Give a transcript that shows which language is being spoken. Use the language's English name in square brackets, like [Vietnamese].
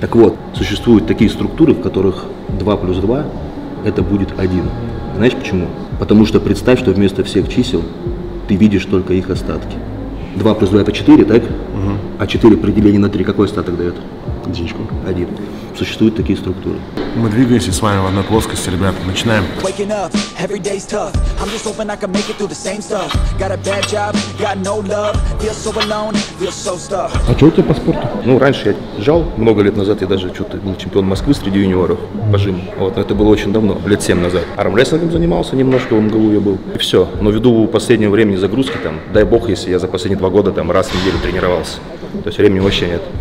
[Russian] Так вот, существуют такие структуры, в которых 2 плюс 2, это будет 1. Знаешь почему? Потому что представь, что вместо всех чисел ты видишь только их остатки. 2 плюс 2 это 4, так? Угу. А 4 при делении на 3 какой остаток дает? Единичку. 1. Существуют такие структуры. Мы двигаемся с вами в одной плоскости, ребята. Начинаем. [English] Waking up, every day's tough. I'm just hoping I can make it through the same stuff. Got a bad job, got no love. Feel so alone, feel so stuck. [Russian] А что у тебя по спорту? Ну, раньше я жал. Много лет назад я даже что-то был чемпион Москвы среди юниоров по жиму. Вот, это было очень давно, лет 7 назад. Армрестлингом занимался немножко, в МГУ я был. И все. Но ввиду последнего времени загрузки, там, дай бог, если я за последние 2 года там раз в неделю тренировался. То есть времени вообще нет.